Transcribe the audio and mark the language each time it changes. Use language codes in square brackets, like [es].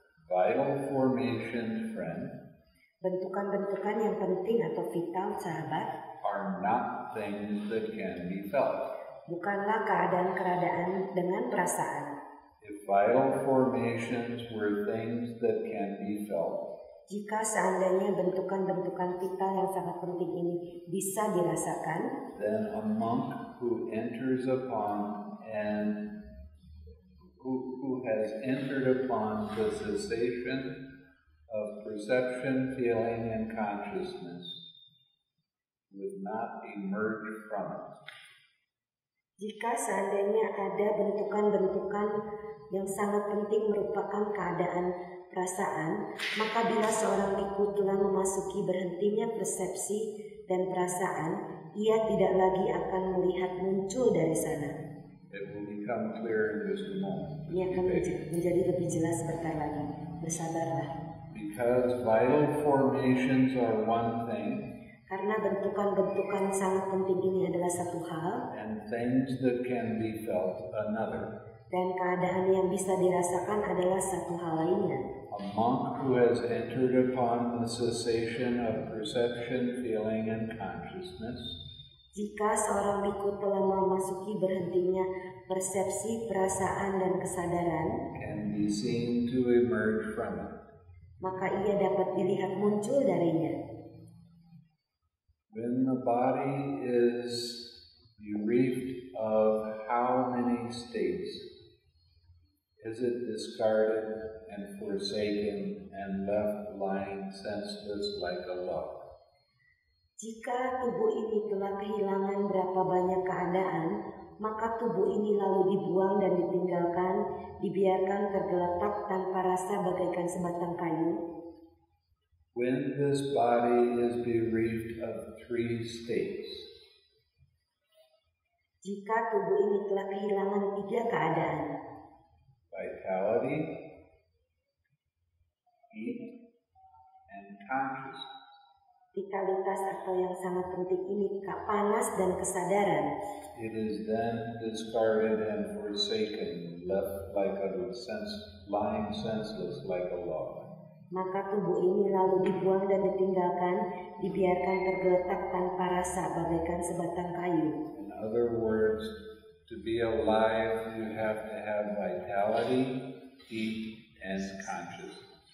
[en] Vital formations, friend. [id] Bentukan-bentukan yang penting atau vital, sahabat. [en] Are not things that can be felt. [id] Bukanlah keadaan-keadaan dengan perasaan. [en] If vital formations were things that can be felt, [id] jika seandainya bentukan-bentukan vital yang sangat penting ini bisa dirasakan, [en] then a monk who enters upon and who has entered upon the cessation of perception, feeling, and consciousness would not emerge from it. [id] Jika seandainya ada bentukan-bentukan yang sangat penting merupakan keadaan perasaan, maka bila seorang bhikkhu telah memasuki berhentinya persepsi dan perasaan, ia tidak lagi akan melihat muncul dari sana. [en] It will become clear in just a moment. [id] Ia akan menjadi lebih jelas sebentar lagi. Bersabarlah. [en] Because vital formations are one thing. [id] Karena bentukan-bentukan yang sangat penting ini adalah satu hal. [en] And things that can be felt another. [id] Dan keadaan yang bisa dirasakan adalah satu hal lainnya. [en] A monk who has entered upon the cessation of perception, feeling, and consciousness. [id] Jika seorang bhikkhu telah memasuki berhentinya persepsi, perasaan, dan kesadaran, [en] can be seen to emerge from it. [id] Maka ia dapat dilihat muncul darinya. [en] When the body is bereaved of how many states, is it discarded and forsaken and left lying senseless like a log? [id] Jika tubuh ini telah kehilangan berapa banyak keadaan, maka tubuh ini lalu dibuang dan ditinggalkan, dibiarkan tergeletak tanpa rasa bagaikan sebatang kayu. [en] When this body is bereaved of three states, [id] jika tubuh ini telah kehilangan tiga keadaan, [en] vitality, heat, and consciousness, [id] vitalitas atau yang sangat penting ini, panas dan kesadaran, [en] it is then discarded and forsaken, left like a sense, lying senseless like a log. [id] Maka tubuh ini lalu dibuang dan ditinggalkan, dibiarkan tergeletak tanpa rasa bagaikan sebatang kayu. [en] In other words, to be alive you have to have vitality, heat, and consciousness.